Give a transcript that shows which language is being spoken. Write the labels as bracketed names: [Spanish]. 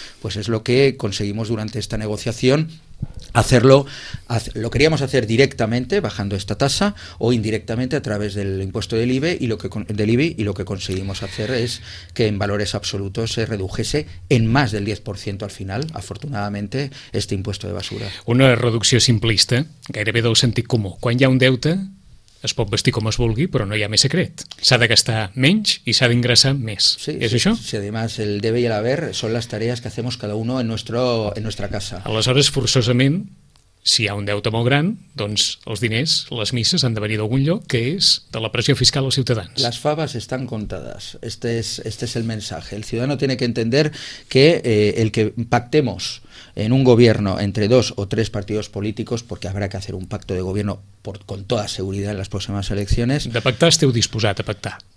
[Spanish] Pues es lo que conseguimos durante esta negociación, hacerlo, lo queríamos hacer directamente bajando esta tasa o indirectamente a través del impuesto del IBI, y lo que conseguimos hacer es que en valores absolutos se redujese en más del 10% al final, afortunadamente, este impuesto de basura. [Catalan] Una reducció simplista, gairebé del sentit comú. Quan hi ha un deute, es pot vestir com es vulgui, però no hi ha més secret. S'ha de gastar menys i s'ha d'ingressar més. Sí, és sí, això? [Spanish] Sí, además el debe y el haber son las tareas que hacemos cada uno en nuestra casa. [Catalan] Aleshores, forçosament, si hi ha un deute molt gran, doncs els diners, les misses, han de venir d'algun lloc, que és de la pressió fiscal als ciutadans. [Spanish] Las favas están contadas. Este es el mensaje. El ciudadano tiene que entender que el que pactemos en un gobierno entre dos o tres partidos políticos, porque habrá que hacer un pacto de gobierno con toda seguridad en las próximas elecciones. [Catalan] De pactar esteu disposat a pactar.